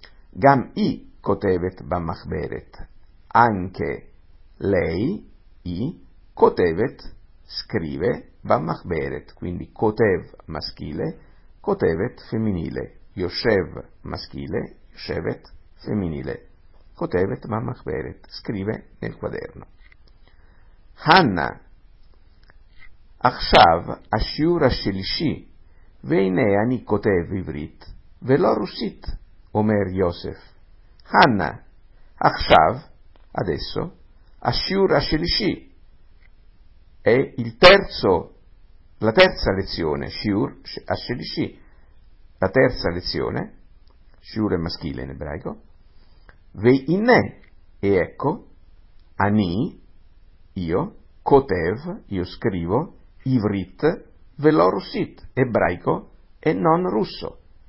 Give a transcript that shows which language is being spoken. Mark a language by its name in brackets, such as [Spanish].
[Hebrew] Gam I kotevet bamachberet, [Italian] anche lei, [Hebrew] I, kotevet, [Italian] scrive, [Hebrew] bamachberet, [Italian] quindi [Hebrew] kotev [Italian] maschile, [Hebrew] kotevet [Italian] femminile, [Hebrew] Yoshev maschile, Yoshevet femminile, kotevet bamachberet, [Italian] scrive nel quaderno. [Hebrew] Hanna, עכשיו, השיעור השלישי, והנה אני כותב עברית, ולא רוסית, אומר יוסף. חנה, עכשיו, [Italian] adesso, [Hebrew] השיעור השלישי, [Italian] è il terzo, la terza lezione, [Hebrew] שיעור השלישי, [Italian] la terza lezione, [Hebrew] שיעור [Italian] maschile in ebraico, [Hebrew] והנה, [Italian] e ecco, [Hebrew] אני, [Italian] io, [Hebrew] כותב, [Italian] io scrivo, [Hebrew] Ivrit, velorusit, [Italian] ebraico e non russo.